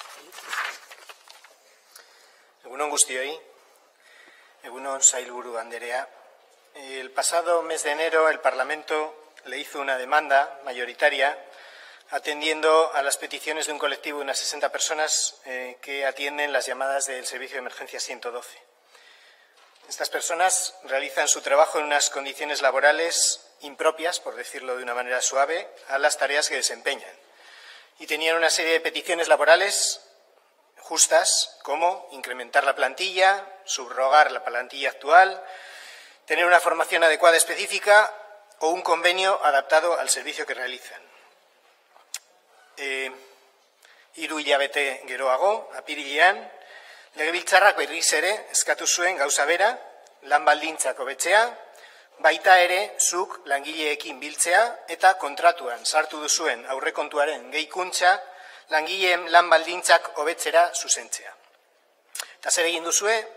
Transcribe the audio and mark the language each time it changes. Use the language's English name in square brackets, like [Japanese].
[Basque] Egunon guztioi, egunon sailburu anderea. [Spanish] El pasado mes de enero el Parlamento le hizo una demanda mayoritaria atendiendo a las peticiones de un colectivo de unas 60 personas que atienden las llamadas del servicio de emergencia 112. Estas personas realizan su trabajo en unas condiciones laborales impropias, por decirlo de una manera suave, a las tareas que desempeñan. Y tenían una serie de peticiones laborales justas, como incrementar la plantilla, subrogar la plantilla actual, tener una formación adecuada específica o un convenio adaptado al servicio que realizan. [Basque] Hiru hilabete geroago, apirilean, legebiltzarrak berriz ere eskatu zuen gauza bera, lan baldintzak hobetzea, baita ere zuk langileekin biltzea eta kontratuan sartu duzuen aurrekontuaren gehikuntza langileen lan baldintzak hobetzera zuzentzea. Eta zer egin duzue?